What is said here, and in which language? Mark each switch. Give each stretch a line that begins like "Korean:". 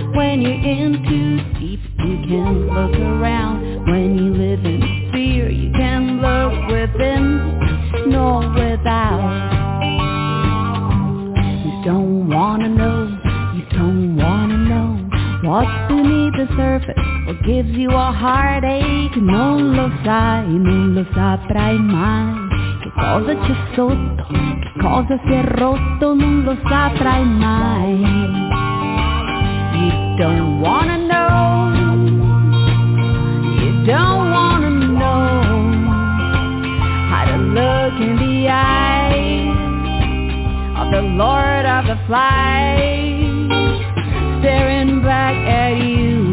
English: When you're in too deep, you can look around. When you live in fear, you can look within, nor without. You don't wanna know, you don't wanna know. What's beneath the surface? What gives you a heartache?
Italian: Non lo sai, non lo saprai mai. Cosa c'è sotto, cosa si è rotto, non lo saprai mai.
English: You don't wanna know, you don't wanna know how to look in the eyes of the Lord of the Flies, staring back at you.